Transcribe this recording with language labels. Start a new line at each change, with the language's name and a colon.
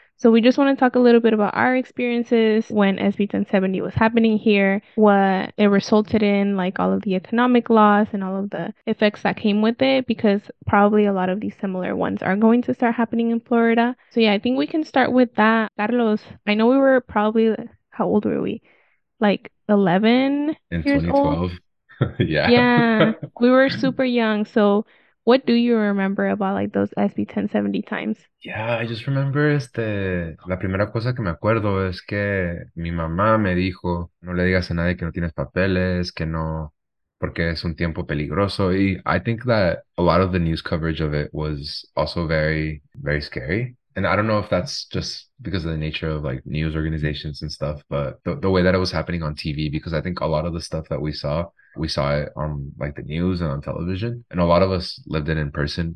English: So we just want to talk a little bit about our experiences when SB 1070 was happening here, what it resulted in, like, all of the economic loss and all of the effects that came with it, because probably a lot of these similar ones are going to start happening in Florida. So yeah, I think we can start with that. Carlos, I know we were probably, how old were we? Like 11 in years 2012. Old? Yeah. Yeah, we were super young. So what do you remember about, like, those SB 1070 times? Yeah, I just remember
Spanish: la primera cosa que me acuerdo es que mi mamá me dijo, no le digas a nadie que no tienes papeles, que no, porque es un tiempo peligroso.
English: Y I think that a lot of the news coverage of it was also very, very scary. And I don't know if that's just because of the nature of, like, news organizations and stuff, but the way that it was happening on TV, because I think a lot of the stuff that we saw it on, like, the news and on television, and a lot of us lived it in person.